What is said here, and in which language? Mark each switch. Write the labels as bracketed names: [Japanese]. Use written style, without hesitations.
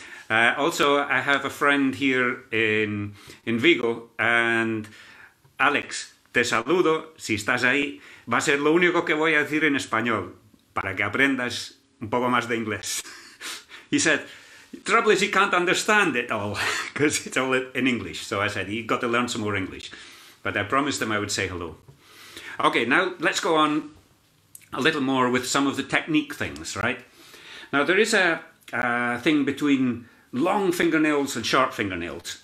[English] Also, I have a friend here in Vigo. [Spanish] And Alex, te saludo. Si estás ahí, va a ser lo único que voy a decir en español para que aprendas un poco más de inglés. [English] He said, trouble is he can't understand it all because it's all in English. So I said, you've got to learn some more English. But I promised him I would say hello. Okay, now let's go on a little more with some of the technique things, right? Now, there is a thing between long fingernails and short fingernails.